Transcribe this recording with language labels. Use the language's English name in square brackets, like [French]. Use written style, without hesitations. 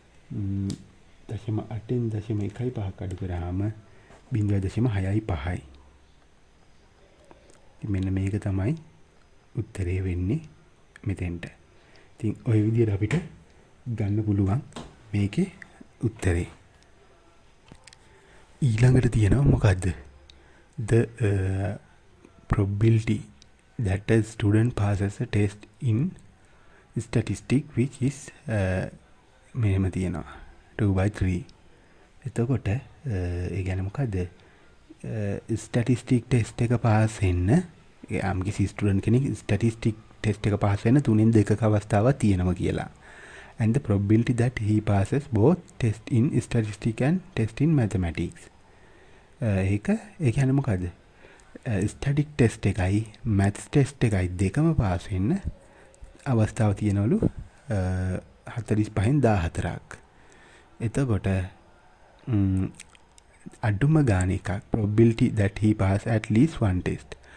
[Sinhala] 0.8න් 0.15ක් අඩු කරාම 0.65යි. ඉතින් මෙන්න මේක තමයි උත්තරේ වෙන්නේ මෙතෙන්ට. ඉතින් ඔය විදිහට අපිට ගන්න පුළුවන් මේකේ උත්තරේ. ඊළඟට තියෙනවා මොකද්ද? [English] The probability that a student passes a test in statistics which is [Sinhala] මෙහෙම තියෙනවා [English] 2/3. [Sinhala] එතකොට ඒ කියන්නේ මොකද්ද? Statistics test එක pass වෙන්න යම් කිසි ස්ටුඩන්ට් කෙනෙක් ස්ටැටිස්ටික් ටෙස්ට් එක පාස් වෙන 3න් 2ක අවස්ථාවක් තියෙනවා කියලා. [English] And the probability that he passes both test in statistics and test in mathematics. [Sinhala] ඒක ඒ කියන්නේ මොකද්ද? ස්ටැටික් ටෙස්ට් එකයි maths ටෙස්ට් එකයි දෙකම පාස් වෙන්න අවස්ථාව තියෙනවලු 45න් 14ක්. එතකොට අඩුම ගාන එකක් [English] probability that he pass at least one test.